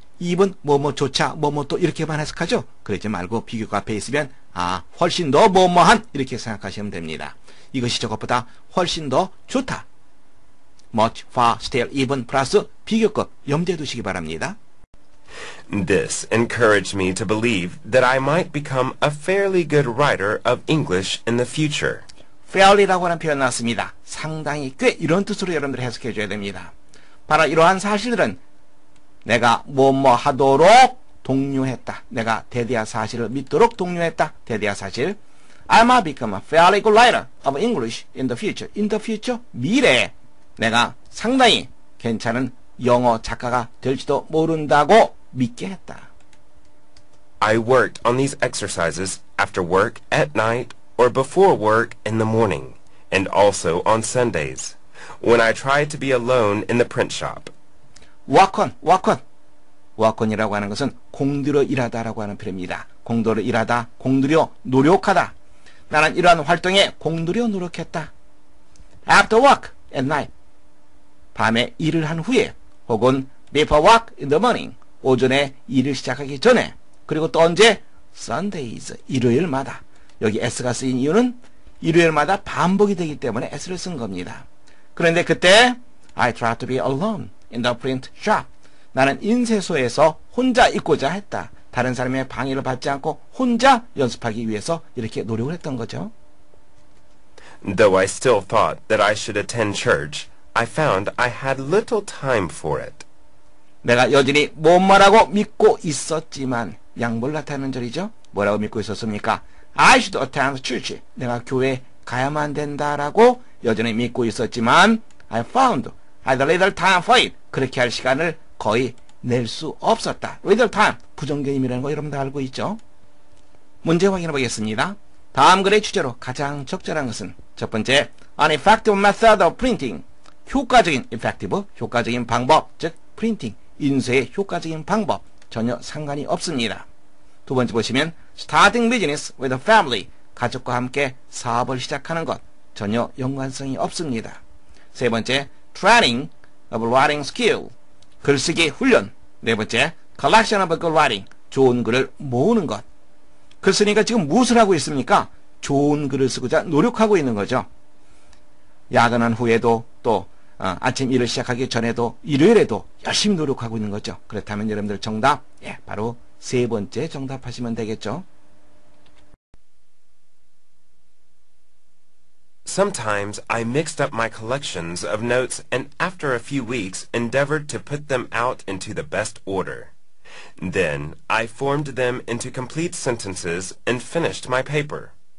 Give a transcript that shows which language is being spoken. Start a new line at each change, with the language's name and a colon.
Korean: even 뭐뭐조차 뭐뭐또 이렇게만 해석하죠? 그러지 말고 비교급 앞에 있으면 아, 훨씬 더 뭐뭐한 이렇게 생각하시면 됩니다. 이것이 저것보다 훨씬 더 좋다. much, far, still, even 플러스 비교급 염두에 두시기 바랍니다.
English: This encouraged me to believe that I might become a fairly good writer of English in the future.
Korean: Fairly라고 하는 표현 나왔습니다. 상당히 꽤 이런 뜻으로 여러분들이 해석해 줘야 됩니다. 바로 이러한 사실들은 내가 뭐뭐 하도록 독려했다. 내가 대대야 사실을 믿도록 독려했다. 대대야 사실.
English: I might become a fairly good writer of English in the future. In the future?
Korean: 미래에 내가 상당히 괜찮은 영어 작가가 될지도 모른다고 믿게 했다.
English: I worked on these exercises after work at night or before work in the morning and also on Sundays when I tried to be alone in the print shop. Work on, work on.
Korean: Work on이라고 하는 것은 공들여 일하다라고 하는 표현입니다. 공들여 일하다, 공들여 노력하다. 나는 이러한 활동에 공들여 노력했다.
English: After work at night.
Korean: 밤에 일을 한 후에 혹은
English: before work in the morning,
Korean: 오전에 일을 시작하기 전에, 그리고 또 언제? Sundays, 일요일마다. 여기 S가 쓰인 이유는 일요일마다 반복이 되기 때문에 S를 쓴 겁니다. 그런데 그때
English: I tried to be alone in the print shop.
Korean: 나는 인쇄소에서 혼자 있고자 했다. 다른 사람의 방해를 받지 않고 혼자 연습하기 위해서 이렇게 노력을 했던 거죠.
English: Though I still thought that I should attend church, I found I had little time for it.
Korean: 내가 여전히 못마라고 믿고 있었지만 양보를 나타내는 절이죠. 뭐라고 믿고 있었습니까?
English: I should attend church.
Korean: 내가 교회에 가야만 된다라고 여전히 믿고 있었지만
English: I found I had little time for it.
Korean: 그렇게 할 시간을 거의 낼 수 없었다.
English: Little time.
Korean: 부정경임이라는 거 여러분 다 알고 있죠? 문제 확인해 보겠습니다. 다음 글의 주제로 가장 적절한 것은 첫 번째,
English: an effective method of printing.
Korean: 효과적인 effective, 효과적인 방법, 즉 프린팅, 인쇄의 효과적인 방법, 전혀 상관이 없습니다. 두 번째 보시면,
English: starting business with a family,
Korean: 가족과 함께 사업을 시작하는 것, 전혀 연관성이 없습니다. 세 번째,
English: training of writing skill,
Korean: 글쓰기 훈련. 네 번째,
English: collection of good writing,
Korean: 좋은 글을 모으는 것. 글쓰니까 지금 무엇을 하고 있습니까? 좋은 글을 쓰고자 노력하고 있는 거죠. 야근한 후에도 또 아침 일을 시작하기 전에도 일요일에도 열심히 노력하고 있는 거죠. 그렇다면 여러분들 정답, 예, 바로 세 번째 정답하시면 되겠죠.
English: Sometimes I mixed up my collections of notes and after a few weeks endeavored to put them out into the best order. Then I formed them into complete sentences and finished my paper.